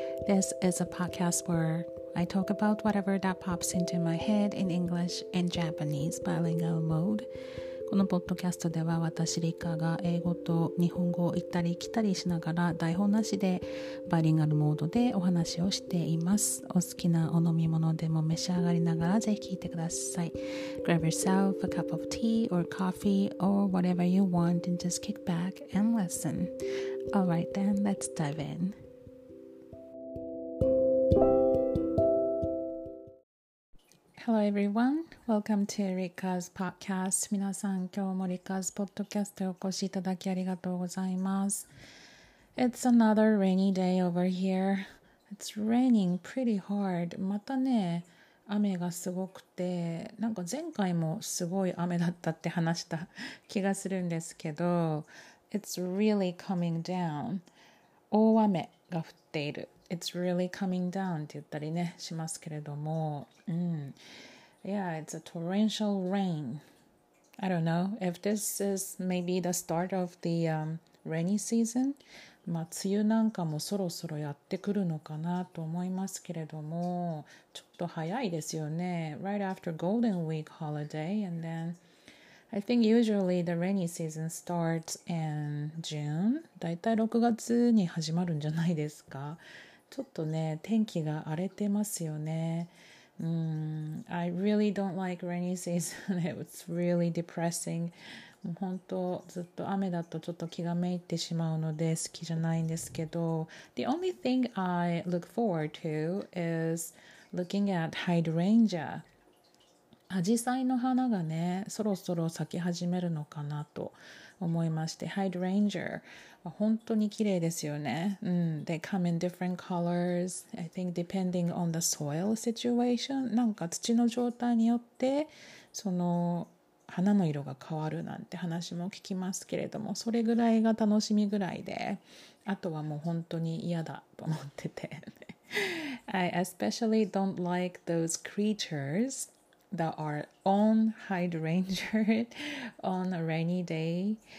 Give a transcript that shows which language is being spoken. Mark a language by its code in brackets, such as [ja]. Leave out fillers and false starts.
[en] This is a podcast where I talk about whatever that pops into my head in English and Japanese bilingual mode. [ja] このポッドキャストでは私 Rika が英語と日本語を行ったり来たりしながら台本なしでバイリンガルモードでお話をしています。お好きなお飲み物でも召し上がりながらぜひ聞いてください。 [en] Grab yourself a cup of tea or coffee or whatever you want and just kick back and listen. Alright then, let's dive in. Hello everyone, welcome to Rika's podcast. [ja] 皆さん、今日も Rika's podcast へお越しいただきありがとうございます。 [en] It's another rainy day over here. It's raining pretty hard. [ja] またね、雨がすごくて、なんか前回もすごい雨だったって話した気がするんですけど、 [en] It's really coming down. [ja] 大雨が降っている。 [en] It's really coming down [ja] って言ったりねしますけれども、 [en] Yeah, it's a torrential rain. I don't know if this is maybe the start of the rainy season. [ja] まあ梅雨なんかもそろそろやってくるのかなと思いますけれども、ちょっと早いですよね。 [en] Right after Golden Week holiday, and then I think usually the rainy season starts in June. [ja] だいたい6月に始まるんじゃないですか。ちょっとね、天気が荒れてますよね。 [en] I really don't like rainy season. It's really depressing. [ja] もう本当、ずっと雨だとちょっと気がめいてしまうので好きじゃないんですけど。 [en] The only thing I look forward to is looking at hydrangea. [ja] アジサイの花がね、そろそろ咲き始めるのかなと。思いまして、hydrangea 本当に綺麗ですよね。 [en] They come in different colors. I think depending on the soil situation, [ja] なんか土の状態によってその花の色が変わるなんて話も聞きますけれども、それぐらいが楽しみぐらいで、あとはもう本当に嫌だと思ってて。 [en] I especially don't like those creatures. That are on hydrangea on a rainy day.